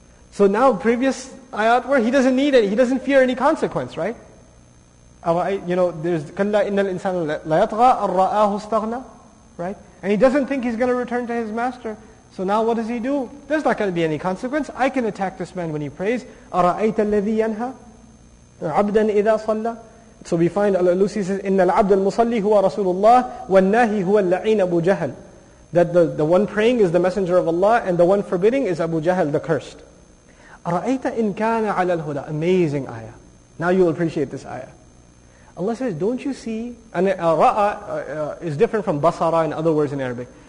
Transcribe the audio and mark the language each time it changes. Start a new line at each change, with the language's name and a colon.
English: So now, previous ayat where he doesn't need it, he doesn't fear any consequence, right? You know, there's
Arabic: kalla innal insana la yatgha arra'ahu istaghna,
English: right? And he doesn't think he's going to return to his master. So now what does he do? There's not going to be any consequence. I can attack this man when he prays.
Arabic: أَرَأَيْتَ الَّذِي يَنْهَى عَبْدًا إِذَا صَلَّى.
English: So we find Al-Alusi says,
Arabic: إِنَّ الْعَبْدَ الْمُصَلِّ هُوَ رَسُولُ اللَّهِ وَالنَّاهِ هُوَ اللَّعِينَ أَبُو جَهَلٍ.
English: That the one praying is the Messenger of Allah and the one forbidding is Abu Jahl, the cursed.
Arabic: أَرَأَيْتَ إِنْ كَانَ عَلَى الْهُدَى.
English: Amazing ayah. Now you'll appreciate this ayah. Allah says, don't you see? And ra'a is different from basara in other words in Arabic.